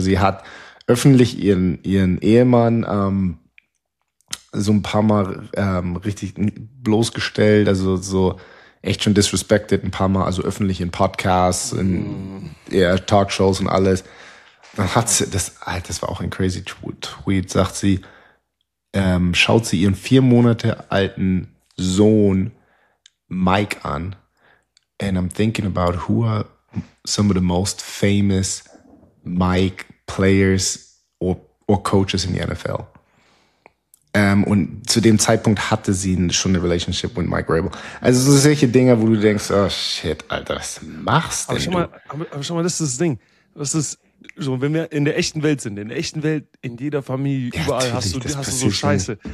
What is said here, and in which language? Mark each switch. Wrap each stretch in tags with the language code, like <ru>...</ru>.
<de>Sie hat öffentlich ihren Ehemann so ein paar Mal richtig bloßgestellt, also so echt schon disrespected ein paar Mal, also öffentlich in Podcasts, in Talkshows und alles. Dann hat sie, das war auch ein crazy Tweet, sagt sie, schaut sie ihren 4 Monate alten Sohn Mike an.</de> <en>And I'm thinking about who are some of the most famous Mike players or coaches in the NFL.</en> <de>Und zu dem Zeitpunkt hatte sie schon eine Relationship mit Mike Rabel. Also so solche Dinge, wo du denkst, oh shit, Alter, was machst denn du? Aber schau mal, das ist das Ding. Das ist so, wenn wir in der echten Welt sind, in der echten Welt, in jeder Familie, ja, überall hast du so Scheiße.</de>